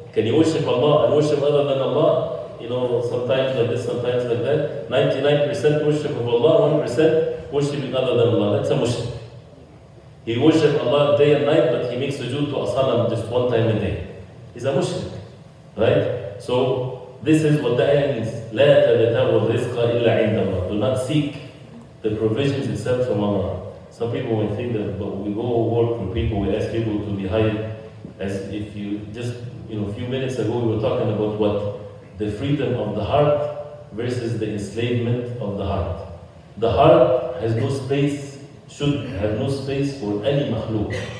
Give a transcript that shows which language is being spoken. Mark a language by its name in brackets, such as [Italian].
[English] Can you worship Allah and worship other than Allah? You know, sometimes like this, sometimes like that. 99% worship of Allah, 1% worshiping other than Allah. That's a mushrik. He worship Allah day and night, but he makes sujood to asanam just one time a day. He's a mushrik. Right? So, this is what the ayah means. [Arabic] لا تبتغوا الرزق إلا عند الله. [English] Do not seek the provisions itself from Allah. Some people will think that, but we go work for people, we ask people to be hired, as if you just, you know, a few minutes ago we were talking about what? The freedom of the heart versus the enslavement of the heart. The heart has no space, should have no space for any makhluk.